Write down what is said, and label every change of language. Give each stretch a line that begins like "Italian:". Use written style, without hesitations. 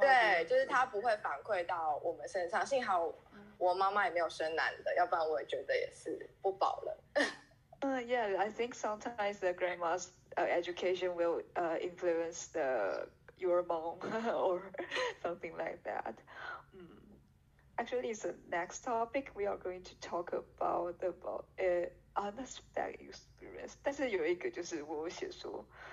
Chinese: 对，就是她不会反馈到我们身上。幸好我妈妈也没有生男的，要不然我也觉得也是不保了。
English: Yeah, I think sometimes the grandma's education will influence your mom or something like that. Actually, the next topic we are going to talk about unexpected experience.
Chinese: 但是有一个就是我写说